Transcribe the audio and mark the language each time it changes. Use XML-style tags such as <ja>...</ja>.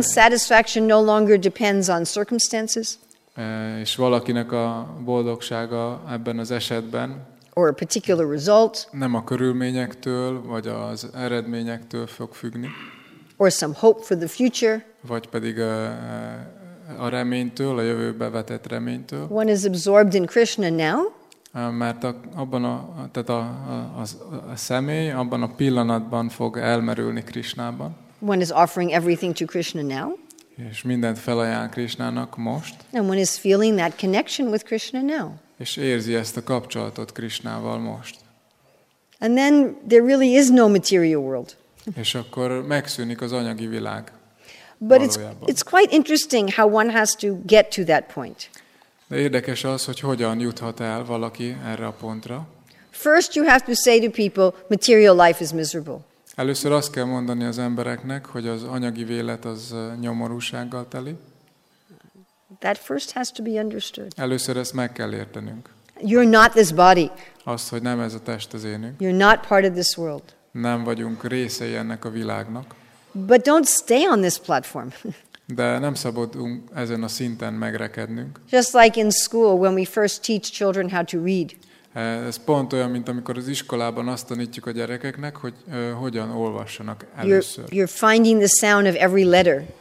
<en>One's satisfaction no longer depends on circumstances.</en> <hu>És valakinek a boldogsága ebben az esetben</hu> <en>or a particular result,</en> <hu>nem a körülményektől, vagy az eredményektől fog függni.</hu> <en>Or some hope for the future.</en> <hu>Vagy pedig a reménytől, a jövőbe vetett reménytől.</hu> <en>One is absorbed in Krishna now.</en> <hu>Mert abban a személy abban a pillanatban fog elmerülni Krishnában.</hu> <en>One is offering everything to Krishna now.</en> <hu>És mindent felajánl Krishnának most.</hu> <en>And one is feeling that connection with Krishna now.</en> <hu>És érzi ezt a kapcsolatot Krishnával most.</hu> <en>And then there really is no material world.</en> <hu>És akkor megszűnik az anyagi világ.</hu> <en>But it's quite interesting how one has to get to that point.</en> <hu>De érdekes az, hogy hogyan juthat el valaki erre a pontra.</hu> <en>First you have to say to people, material life is miserable.</en> <hu>Először azt kell mondani az embereknek, hogy az anyagi vélet az nyomorúsággal teli.</hu> <en>That first has to be understood.</en> <hu>Először ezt meg kell értenünk.</hu> <en>You're not this body.</en> <hu>Azt, hogy nem ez a test az énünk.</hu> <en>You're not part of this world.</en> <hu>Nem vagyunk részei ennek a világnak.</hu> <en>But don't stay on this platform.</en> <hu>De nem szabadunk ezen a szinten megrekednünk.</hu> <en>Just like in school when we first teach children how to read.</en> <hu>Ez pont olyan, mint amikor az iskolában azt tanítjuk a gyerekeknek, hogy hogyan olvassanak először.</hu> <en>You're finding the sound of every letter.</en>